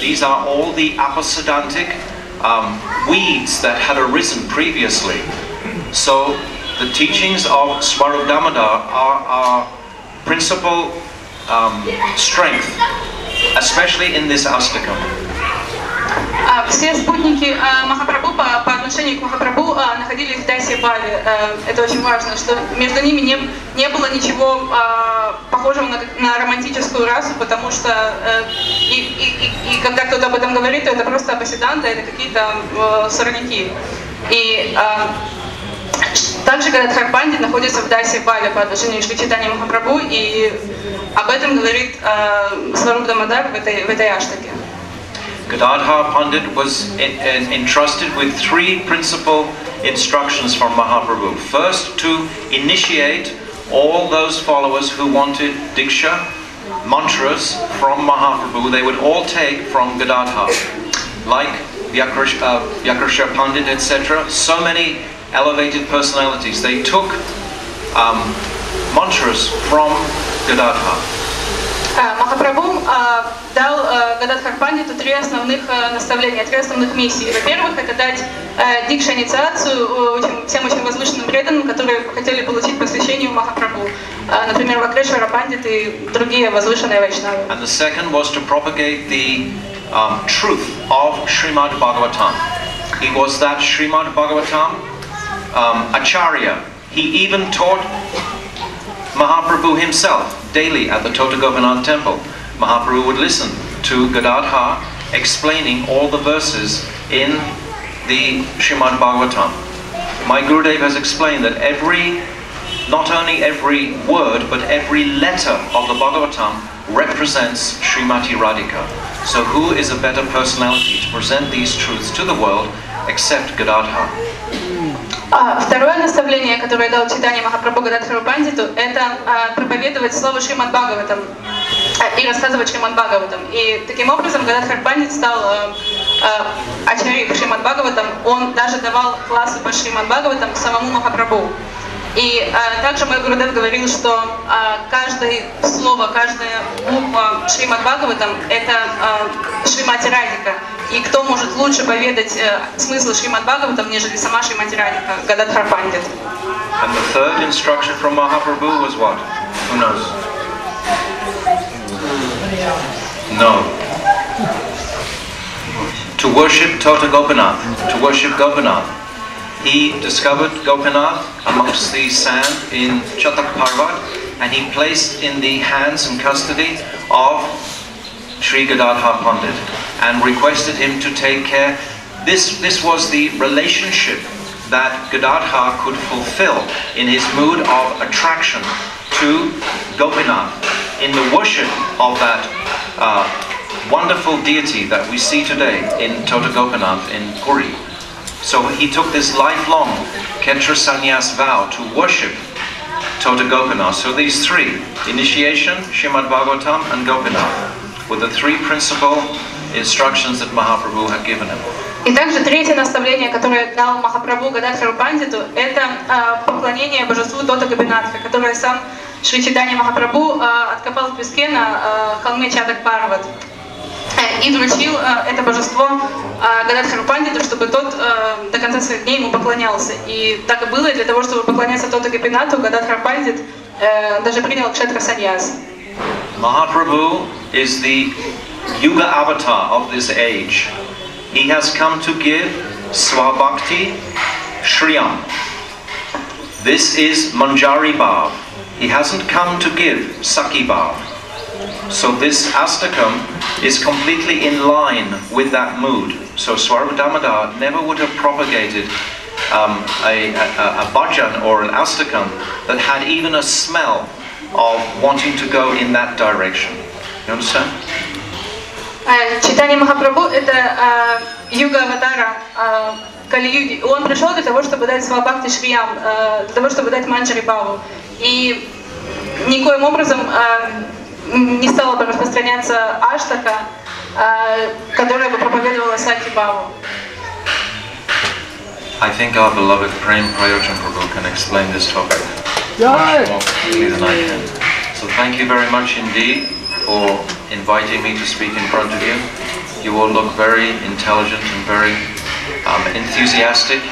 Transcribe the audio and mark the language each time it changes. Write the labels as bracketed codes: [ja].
[en] These are all the apasadantic weeds that had arisen previously. So the teachings of Swarup Damodar are our principal strength, especially in this astakam. [ru] Все спутники Махапрабху по отношению к Махапрабху находились в Дасья Бхаве. Это очень важно, что между ними не было ничего похожего на романтическую расу, потому что и когда кто-то об этом говорит, то это просто апасиданты, это какие-то сорняки. И также Гададхар Пандит находится в Дасья Бхаве по отношению к Шри Чайтанья Махапрабху, и об этом говорит Сварупа Дамодар в этой аштаке. [en] Gadadhar Pandit was entrusted with three principal instructions from Mahaprabhu. First, to initiate all those followers who wanted Diksha, mantras from Mahaprabhu, they would all take from Gadadhar. Like Vyakrasha Pandit, etc., so many elevated personalities, they took mantras from Gadadhar. [ru] Махапрабху дал Гададхар Пандиту три основных наставления, три основных миссии. Во-первых, это дать дикша-инициацию всем очень возвышенным преданным, которые хотели получить посвящение у Махапрабху. Например, Вакрешвара Пандит и другие возвышенные вайшнавы. [en] And the second was to propagate the truth of Srimad Bhagavatam. He was that Srimad Bhagavatam Acharya. He even taught Mahaprabhu himself daily at the Totogovanand temple. Mahaprabhu would listen to Gadadhar explaining all the verses in the Srimad Bhagavatam. My Gurudev has explained that not only every word, but every letter of the Bhagavatam represents Srimati Radhika. So who is a better personality to present these truths to the world except Gadadhar? [ru] Второе наставление, которое дал Чайтанья Махапрабху Гададхару Пандиту, это проповедовать слово Шримад Бхагаватам и рассказывать Шримад Бхагаватам. И таким образом Гададхар Пандит стал ачарьей Шримад Бхагаватам. Он даже давал классы по Шримад Бхагаватам самому Махапрабху. И также мой Гурудев говорил, что каждое слово, каждая буква Шримад Бхагаватам – это Шримати Радика. И кто может лучше поведать смысл Шримад Бхагаватам, нежели сама Шримати Радика, Гададхар Пандит? [en] And the third instruction from Mahaprabhu was what? Who knows? No. To worship Tota Gopinath, to worship Gopinath. He discovered Gopinath amongst the sand in Chatak Parvat, and he placed in the hands and custody of Sri Gadadhar Pandit and requested him to take care. This was the relationship that Gadadhar could fulfill in his mood of attraction to Gopinath in the worship of that wonderful deity that we see today in Tota Gopinath in Puri. So he took this lifelong Khetra Sannyas vow to worship Tota Gopinath. So these three, initiation, Srimad Bhagavatam and Gopinath, were the three principal instructions that Mahaprabhu had given him. [ru] И также третье наставление, которое дал Махапрабху Гададхару Пандиту, это поклонение божеству Тота Гопинатха, которое сам Шри Чайтанья Махапрабху откопал в песке на холме Чатак Парват. И вручил это божество Гададхару Пандиту, чтобы тот до конца своих дней ему поклонялся. И так и было, и для того, чтобы поклоняться Тота Гопинатху, Гададхар Пандит даже принял кшетра саньяс. [en] Mahaprabhu is the Yuga avatar of this age. He has come to give Swabhakti Shriyam. This is Manjari Bhav. He hasn't come to give Sakhi Bhav. So this Astakam is completely in line with that mood. So Swarupa Damodar never would have propagated a bhajan or an astakam that had even a smell of wanting to go in that direction. You understand? [ru] Читание Махапрабху – это юга аватара Кали-юги. Он пришел для того, чтобы дать Свабхакти Шриям, для того, чтобы дать Манджари Бхаву. И никоим образом не стало бы распространяться аштака, которая бы проповедовала Сакхи Бхаву. [en] I think our beloved Prem Prayochan Prabhu can explain this topic much more clearly than I can. So thank you very much indeed for inviting me to speak in front of you. You all look very intelligent and very enthusiastic.